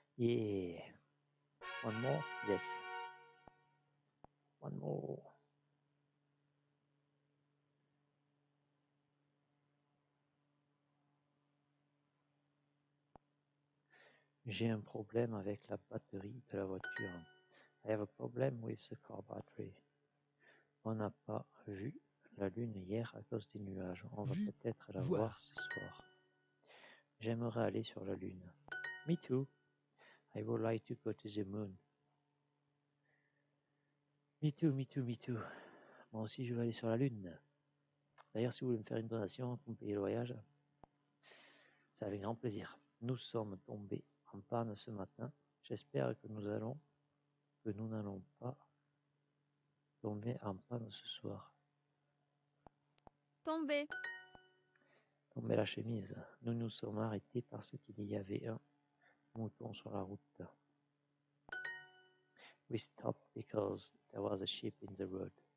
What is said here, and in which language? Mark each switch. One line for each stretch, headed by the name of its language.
English: Yeah. One more? Yes. One more.
French: J'ai un problème avec la batterie de la voiture.
English: I have a problem with the car battery.
French: On n'a pas vu la lune hier à cause des nuages. On va peut-être la voir ce soir. J'aimerais aller sur la lune.
English: Me too. I would like to go to the moon. Me too, me too, me too.
French: Moi aussi, je veux aller sur la lune. D'ailleurs, si vous voulez me faire une donation pour me payer le voyage, c'est avec grand plaisir. Nous sommes tombés en panne ce matin. J'espère que nous n'allons pas tomber en panne ce soir. Tomber la chemise. Nous nous sommes arrêtés parce qu'il y avait un mouton sur la route.
English: We stopped because there was a sheep in the road.